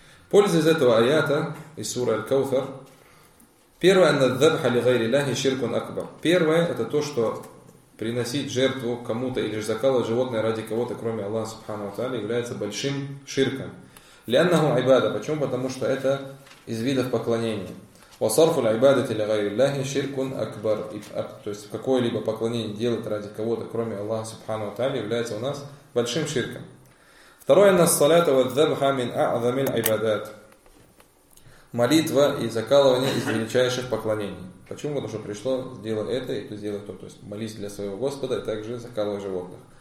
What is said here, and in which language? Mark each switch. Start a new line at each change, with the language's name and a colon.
Russian: Польза из этого аята, из суры Аль-Каутар. Первое,
Arabic: надзабха ли гайри ляхи ширкун акбар.
Russian: Первое, это то, что приносить жертву кому-то или же закалывать животное ради кого-то, кроме Аллаха Субхана ва Тааля, является большим ширком.
Arabic: Лянаху айбада.
Russian: Почему? Потому что это из видов поклонения.
Arabic: وصرف العبادة لغير الله شرك أكبر.
Russian: То есть какое-либо поклонение делать ради кого-то, кроме Аллаха Субхана ва Тааля, является у нас большим ширком. Второе,
Arabic: на салата ва дзабха мин а'азами аль-ибадат.
Russian: Молитва и закалывание из величайших поклонений. Почему? Потому что пришло, сделай это и то сделай то. То есть молись для своего Господа и также закалывай животных.